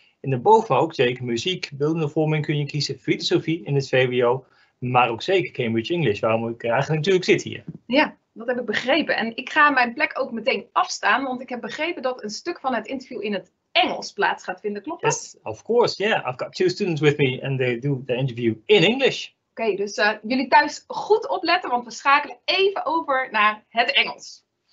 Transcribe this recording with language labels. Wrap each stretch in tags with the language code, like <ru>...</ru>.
<nl>In de bovenbouw ook zeker muziek, beeldende vorming kun je kiezen. Filosofie in het VWO. Maar ook zeker Cambridge English, waarom ik eigenlijk natuurlijk zit hier. Ja. Dat heb ik begrepen. En ik ga mijn plek ook meteen afstaan, want ik heb begrepen dat een stuk van het interview in het Engels plaats gaat vinden. Klopt dat?</nl> <en>Yes, of course. Yeah, I've got 2 students with me and they do the interview in English.</en> <nl>Oké, dus jullie thuis goed opletten, want we schakelen even over naar het Engels.</nl>